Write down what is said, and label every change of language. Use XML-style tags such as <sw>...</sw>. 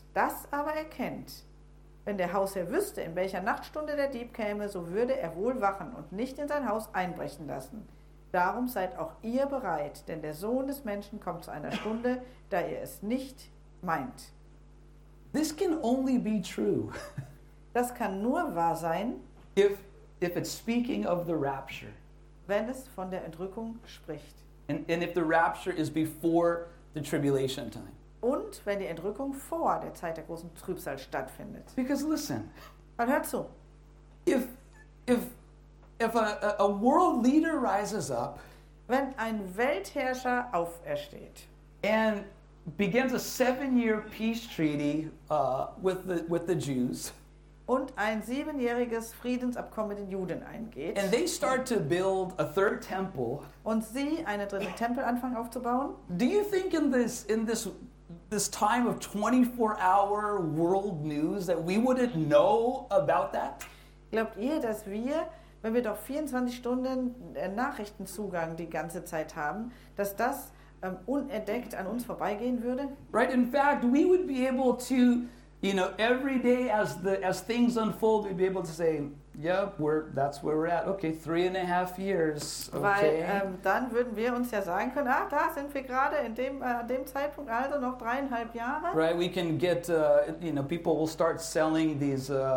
<de>Das aber erkennt. Wenn der Hausherr wüsste, in welcher Nachtstunde der Dieb käme, so würde er wohl wachen und nicht in sein Haus einbrechen lassen. Darum seid auch ihr bereit, denn der Sohn des Menschen kommt zu einer Stunde, da ihr es nicht meint.</de> <en>This can only be true.</en> <de>Das kann nur wahr sein,</de> <en>if it's speaking of the rapture.</en> <de>Wenn es von der Entrückung spricht.</de> <en>And if the rapture is before the tribulation time.</en> <de>Und wenn die Entrückung vor der Zeit der großen Trübsal stattfindet.</de> <en>Because listen.</en> <de>Dann hört zu.</de> <en>If a world leader rises up,</en> <de>wenn ein Weltherrscher aufersteht,</de> <en>and begins a 7-year peace treaty with the Jews,</en> <de>und ein 7-jähriges Friedensabkommen mit den Juden eingeht,</de> <en>and they start to build a third temple,</en> <de>und sie einen dritten Tempel anfangen aufzubauen,</de> <en>do you think in this time of 24-hour world news that we wouldn't know about that?</en> <de>Glaubt ihr, dass wir, wenn wir doch 24 Stunden Nachrichtenzugang die ganze Zeit haben, dass das unentdeckt an uns vorbeigehen würde?</de> <en>Right, in fact, we would be able to, you know, every day as things unfold, we'd be able to say, yep, that's where we're at. Okay, 3.5 years. Okay.</en> <de>Weil dann würden wir uns ja sagen können, ach, da sind wir gerade in dem Zeitpunkt, also noch 3.5 Jahre.</de> <en>Right, we can get, you know, people will start selling these</en>